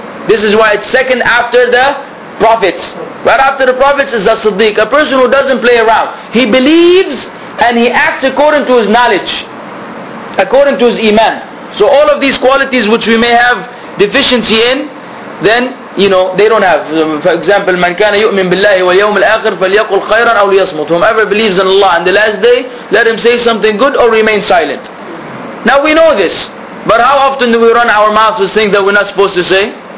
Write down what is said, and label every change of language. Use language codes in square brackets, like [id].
[en] This is why it's second after the prophets. Right after the prophets is As-Siddiq, a person who doesn't play around. He believes and he acts according to his knowledge, according to his iman. So all of these qualities which we may have deficiency in, then, you know, they don't have. For example, [ar] مَنْ كَانَ يُؤْمِن بِاللَّهِ وَالْيَوْمِ الْآخِرِ فَلْيَقُلْ خَيْرًا أَوْ لِيَصْمُتْ. [en] Whomever believes in Allah and the last day, let him say something good or remain silent. Now we know this, but how often do we run our mouths with things that we're not supposed to say?